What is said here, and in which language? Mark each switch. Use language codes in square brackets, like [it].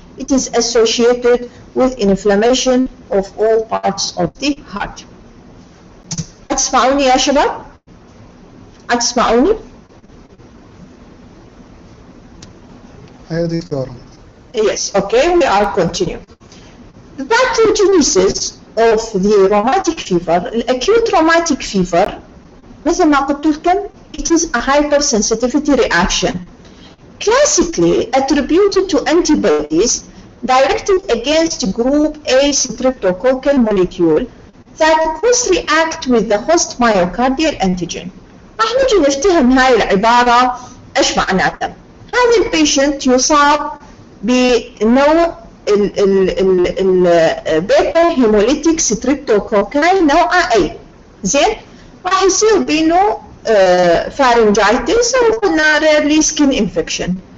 [en] It is associated with inflammation of all parts of the heart. [ar] أتسمعوني يا شباب؟ أتسمعوني؟ هيا دكتورة. [en] Yes, okay, we are continue. The pathogenesis of the rheumatic fever, acute rheumatic fever, [ar] مثل ما قلت لكم, [en] it is a hypersensitivity reaction. Classically attributed to antibodies directed against group A streptococcal molecule that cause react with the host myocardial antigen. [ar] راح نجي نفتهم هاي العبارة ايش معناتها. هذا البيشنت يصاب بنوع البيتا هيموليتيك ستريبتوكوكاي نوع اي. زين؟ راح يصير بينه فارنجايتس او قلنا ريرلي سكين انفكشن.